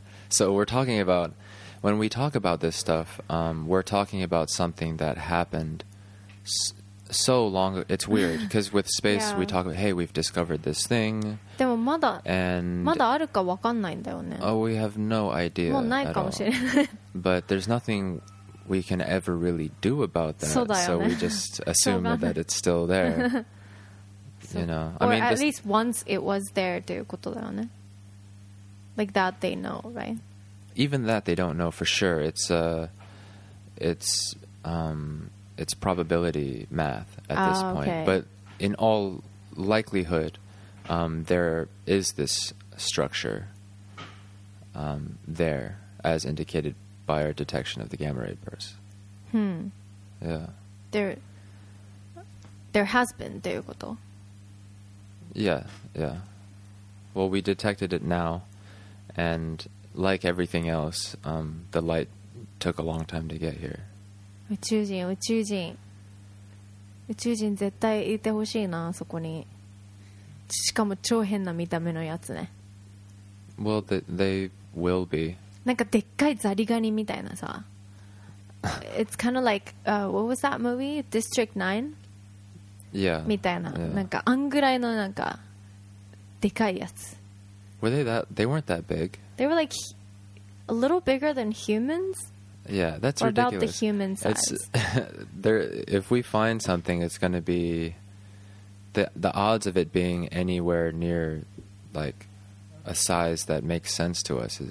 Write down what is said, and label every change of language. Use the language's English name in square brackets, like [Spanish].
[English] So we're talking about, when we talk about this stuff, we're talking about something that happened so long. It's weird because with space, yeah. we talk about, hey, we've discovered this thing. [Japanese] でもまだ、and まだあるか分かんないんだよね。 [English] Oh, we have no idea. [Japanese] もうないかもしれない。 [English] But there's nothing we can ever really do about that. [Japanese] そうだよね。 [English] So we just assume that it's still there. You know, I mean, at least once it was there, [Japanese] ということだよね。 [English] Like that they know, right? Even that they don't know for sure. It's it's probability math at this point. But in all likelihood, there is this structure there, as indicated by our detection of the gamma ray bursts. Yeah. There has been, [Japanese] ということ。 [English] Yeah, yeah. Well, we detected it now, and like everything else, the light took a long time to get here. [Japanese] 宇宙人、宇宙人、宇宙人絶対いてほしいな、そこに。しかも超変な見た目のやつね。 [English] Well, they will be. [Japanese] なんかでっかいザリガニみたいなさ。 [English] It's kind of like, what was that movie? District 9? Yeah. [Japanese] みたいな。Yeah. なんかあんぐらいのなんかでかいやつ。 [English] Were they that? They weren't that big. They were like a little bigger than humans. Yeah, that's ridiculous. About the human size. It's, there, if we find something, it's going to be the odds of it being anywhere near like a size that makes sense to us.